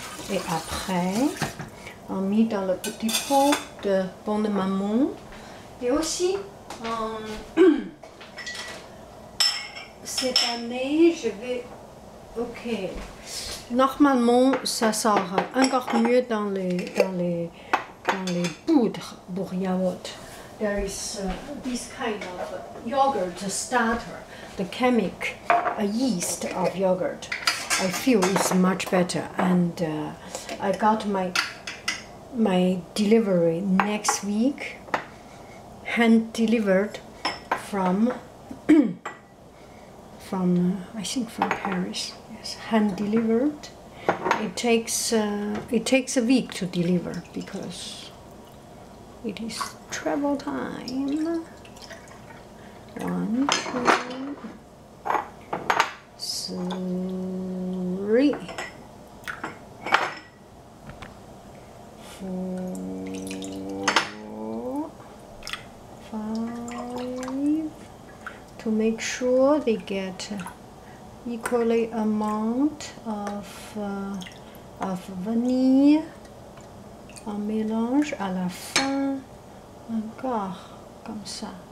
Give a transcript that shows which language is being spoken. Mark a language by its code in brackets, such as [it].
[fr] Et après, on met dans le petit pot de bon de maman. Et aussi, cette année, je vais. Ok. Normalement, ça sort encore mieux dans les poudres pour yaourt. [en] There is this kind of yogurt starter, the chemic yeast of yogurt. I feel it's much better. And I got my delivery next week, hand delivered from Paris. Yes, hand delivered. It takes a week to deliver because it is travel time. 1, 2, 3, 4, 5. To make sure they get equally amount of vanilla. [fr] On mélange à la fin encore comme ça.